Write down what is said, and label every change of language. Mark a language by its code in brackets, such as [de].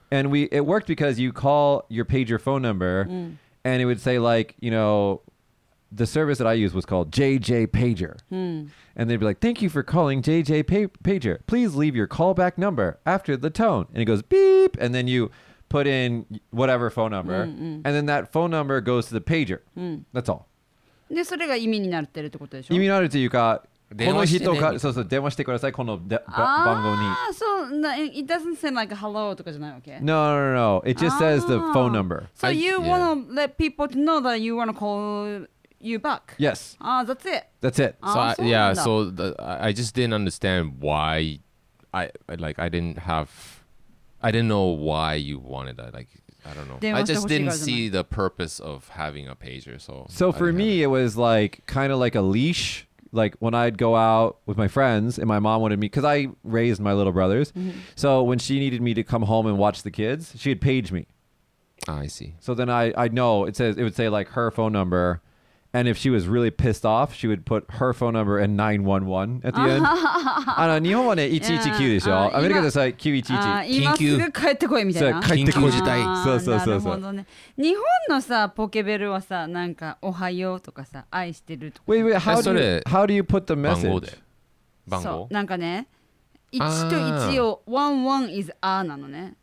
[en] And it worked because you call your pager phone number and it would say, like, you know, the service that I used was called JJ Pager. Mm. And they'd be like, thank you for calling JJ Pager. Please leave your callback number after the tone. And it goes beep. And then you put in whatever phone number, and then that phone number goes to the pager. That's all. [ja] で、それが意味になってるってことでしょ？意味になるっていうか、この人か、そうそう、電話してください、この番号に。ああ、そう、 [en] it doesn't sound like hello [ja] とかじゃないわけ？ [en] No. It just says the phone number. So you want to let people to know that you want to call you back? Yes. That's it. So I just didn't understand why I didn't know why you wanted that. Like, I don't know. I just didn't see the purpose of having a pager. So for me, it was like kind of like a leash. Like when I'd go out with my friends and my mom wanted me, because I raised my little brothers. So when she needed me to come home and watch the kids, she would page me. Oh, I see. So then I'd know it would say like her phone number. And if she was really pissed off, she would put her phone number and 911 at the end. I know, [ja] 日本はね、119 でしょ。アメリカでさ、911。今すぐ帰ってこいみたいな。緊急事態。そうそうそうそう。なるほどね。日本のさ、ポケベルはさ、なんか、おはようとかさ、愛してるとか。 [en] Wait, how do you put the message? [ja] 番号で。番号。そう、なんかね、1と1を、 [en] 11 is A [ja] なのね。